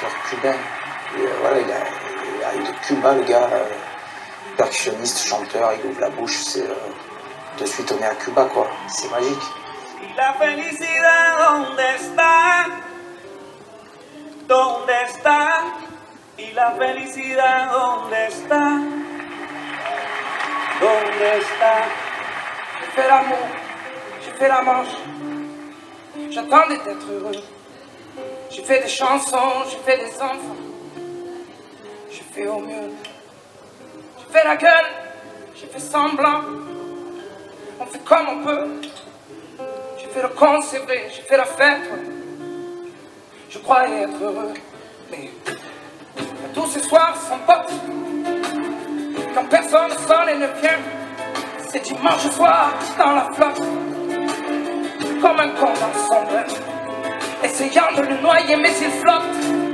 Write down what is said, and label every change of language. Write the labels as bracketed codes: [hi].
[fr] Cuba, le gars, percussionniste, chanteur, il ouvre la bouche, c'est de suite on est à Cuba, quoi, c'est magique. [es] La felicidad, donde está? Donde está? Y la felicidad, donde está? Donde está? [fr] Je fais l'amour, je fais la manche, j'attendais d'être heureux, je fais des chansons, je fais des enfants. Je fais au mieux, je fais la gueule, je fais semblant, on fait comme on peut, je fais le con, c'est vrai, je fais la fête, je croyais être heureux, mais tous ces soirs sans pote, quand personne sonne et ne vient, c'est dimanche soir dans la flotte, comme un con dans son bain, essayant de le noyer mais il flotte.